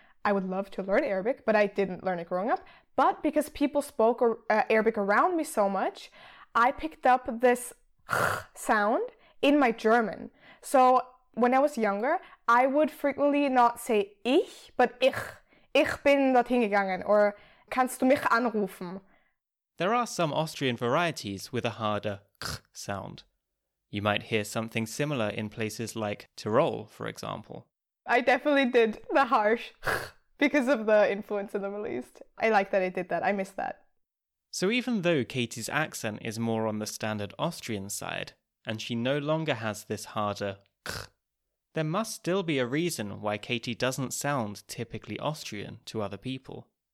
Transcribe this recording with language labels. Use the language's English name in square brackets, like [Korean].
[English] I would love to learn Arabic, but I didn't learn it growing up. But because people spoke Arabic around me so much, I picked up this sound in my German. So when I was younger, I would frequently not say ich, but ich. [German] Ich bin dorthin gegangen, [English] or [German] kannst du mich anrufen? [English] There are some Austrian varieties with a harder kh sound. You might hear something similar in places like Tyrol, for example. I definitely did the harsh kh because of the influence in the Middle East. I like that I did that. I miss that. So even though Katie's accent is more on the standard Austrian side, and she no longer has this harder kh, there must still be a reason why Katie doesn't sound typically Austrian to other people.